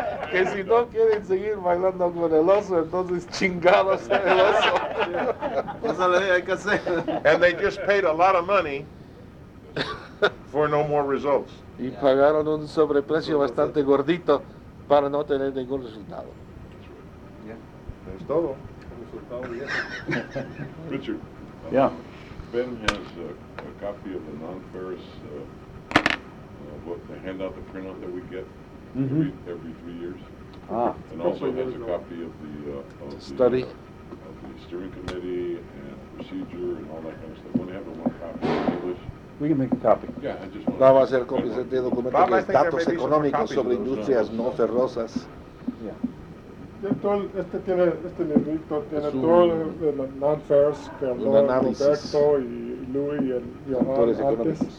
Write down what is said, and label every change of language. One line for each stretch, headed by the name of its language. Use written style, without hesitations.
Spanish: Que si no quieren seguir bailando con el oso, entonces chingados el oso.
English: And they just paid a lot of money for no more results.
Spanish: Y pagaron un sobreprecio bastante gordito para no tener ningún resultado.
English: Yeah.
Spanish: Es todo.
English: Richard. Yeah. Ben has a copy of the non-ferrous book, the handout, the printout that we get every 3 years. Ah. And also has a copy of the study of the steering committee and procedure and all that kind of stuff. We only have one copy in English. We can make a copy. Yeah,
Spanish: vamos a hacer copias de documentos de datos económicos sobre industrias no ferrosas.
English: Yeah.
Spanish: Este librito tiene todo el non-ferrous que habló Roberto y Louis y el Johan antes.